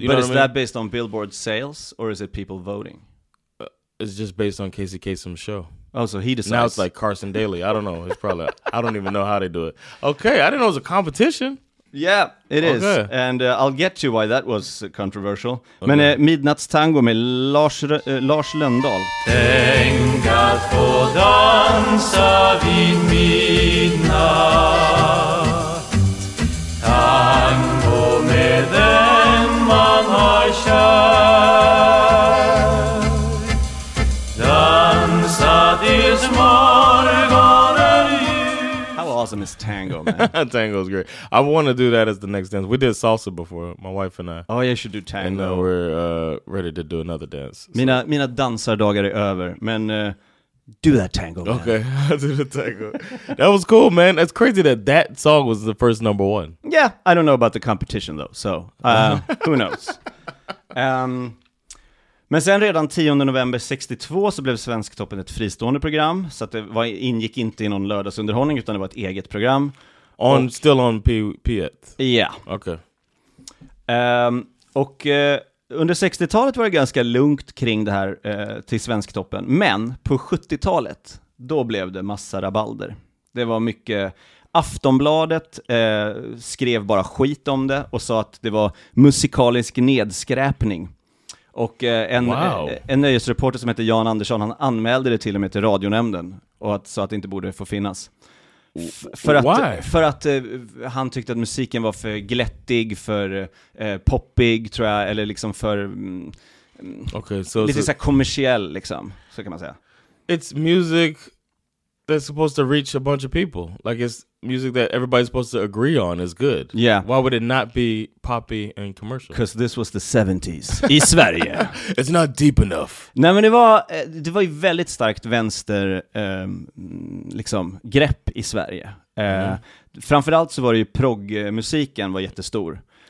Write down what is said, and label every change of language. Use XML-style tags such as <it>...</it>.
<en>You but know is what I mean? That based on Billboard sales, or is it people voting? It's just based on Casey Kasem's show. Oh, so he decides. Now it's like Carson Daly. I don't know. It's probably, I don't even know how they do it. Okay, I didn't know it was a competition. Yeah, it okay. is. And I'll get to why that was controversial.</en> <sv>Okay. Men Midnattstango med Lars Lönndahl. Tänk att få dansa vid midnatt. Tango med den man har kär.</sv> <en>How awesome is tango, man? Tango is great. I want to do that as the next dance. We did salsa before, my wife and I. Oh, yeah, you should do tango. And now we're ready to do another dance.</en> <sv>Mina dansardagar är över, men</sv> <en>do that tango, man. Okay, do the tango. That was cool, man. It's crazy that song was the first number one. Yeah, I don't know about the competition, though, so who knows?</en> <sv>Men sen redan 10 november 62 så blev Svensktoppen ett fristående program. Så att det ingick inte i någon lördagsunderhållning utan det var ett eget program. Still on P1? Ja. Okej. Och under 60-talet var det ganska lugnt kring det här till Svensktoppen. Men på 70-talet, då blev det massa rabalder. Det var mycket... Aftonbladet skrev bara skit om det och sa att det var musikalisk nedskräpning. Och en nöjesreporter som heter Jan Andersson, han anmälde det till och med till radionämnden och att, så att det inte borde få finnas. För att han tyckte att musiken var för glättig, för poppig tror jag, eller liksom för lite så kommersiell liksom, så kan man säga.</sv> <en>It's music that's supposed to reach a bunch of people. Like it's music that everybody's supposed to agree on is good. Yeah. Why would it not be poppy and commercial? Because this was the 70s</en> <sv>i Sverige.</sv> <en>It's not deep enough.</en> <sv>Nej, men det var ju väldigt starkt vänster liksom grepp i Sverige. Framförallt så var det ju proggmusiken var jättestor.</sv>